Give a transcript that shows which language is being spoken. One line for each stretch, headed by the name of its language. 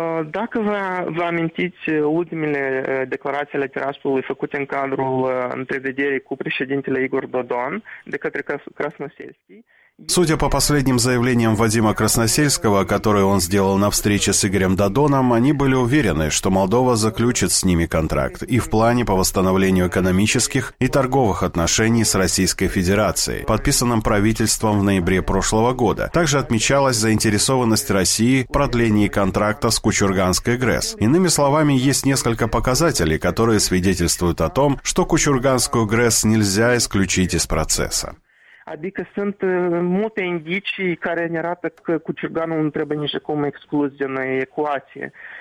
Romanian: Dacă vă amintiți ultimele declarații ale Tiraspolului făcute în cadrul întrevederii cu președintele Igor Dodon de către Красносельский.
Russian: Судя по последним заявлениям Вадима Красносельского, которые он сделал на встрече с Игорем Додоном, они были уверены, что Молдова заключит с ними контракт и в плане по восстановлению экономических и торговых отношений с Российской Федерацией, подписанном правительством в ноябре прошлого года. Также отмечалась заинтересованность России в продлении контракта с Кучурганской ГРЭС. Иными словами, есть несколько показателей, которые свидетельствуют о том, что Кучурганскую ГРЭС нельзя исключить из процесса.
Romanian: Adică sunt multe indicii care ne arată că Kuchurganul nu trebuie nici cum exclus din ecuație.